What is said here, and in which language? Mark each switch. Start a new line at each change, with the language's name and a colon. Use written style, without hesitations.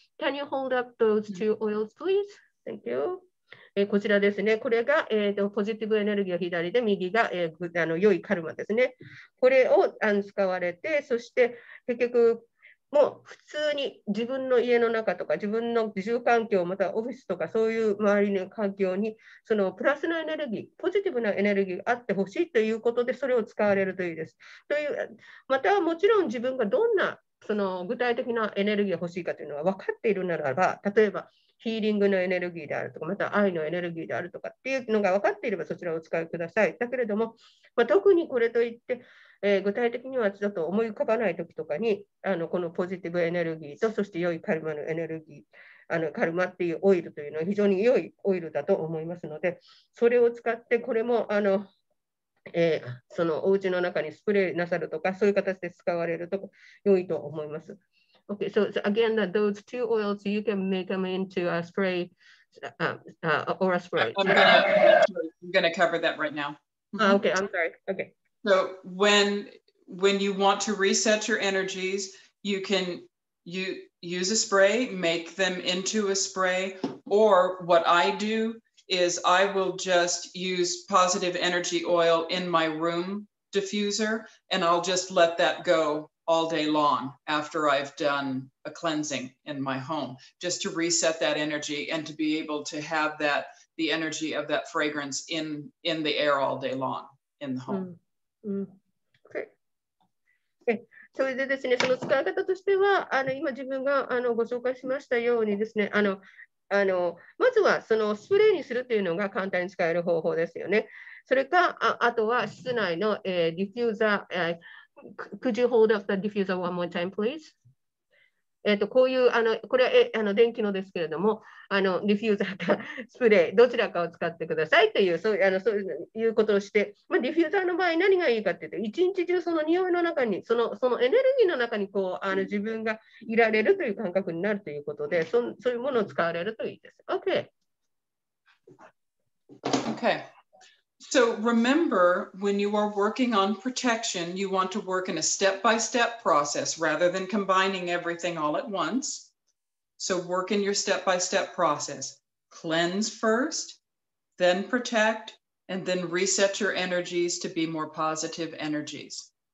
English: Can you hold up those two oils, please? Thank you.
Japanese: こちらですね、これが、ポジティブエネルギーが左で、右が、良いカルマですね。これを使われて、そして結局もう普通に自分の家の中とか自分の住環境、またオフィスとかそういう周りの環境にそのプラスのエネルギー、ポジティブなエネルギーがあってほしいということで、それを使われるといいですという。またはもちろん自分がどんなその具体的なエネルギーが欲しいかというのは分かっているならば、例えばヒーリングのエネルギーであるとか、また愛のエネルギーであるとかっていうのが分かっていれば、そちらをお使いください。だけれども、まあ、特にこれといって、具体的にはちょっと思い浮かばないときとかに、このポジティブエネルギーと、そして良いカルマのエネルギー、カルマっていうオイルというのは非常に良いオイルだと思いますので、それを使って、これもそのお家の中にスプレーなさるとか、そういう形で使われると良いと思います。
English: Okay, so, so again, that those two oils, you can make them into a spray or a spray. I'm gonna cover that right now. Okay, I'm sorry. Okay. So when you want to reset your energies, you can use a spray, make them into a spray, or what I do is I will just use positive energy oil in my room diffuser, and I'll just let that go all day long after I've done a cleansing in my home, just to reset that energy and to be able to have that, the energy of that fragrance in the air all day long in the home. Okay.
Japanese: それでですね、その使い方としては、今自分がご紹介しましたようにですね、まずはそのスプレーにするというのが簡単に使える方法ですよね。それか、あとは室内の、ディフューザー、
English: Could you hold up the diffuser one more time, please?
Japanese: こういう、これは電気のですけれども、ディフューザーかスプレー、どちらかを使ってくださいという、そういうことをして、まあ、ディフューザーの場合何がいいかというと、一日中その匂いの中に、そのエネルギーの中にこう自分がいられるという感覚になるということで、そういうものを使われるといいです。
English: Okay. Okay. So remember, when you are working on protection, you want to work in a step-by-step process rather than combining everything all at once. So work in your step-by-step process. Cleanse first, then protect, and then reset your energies to be more positive energies.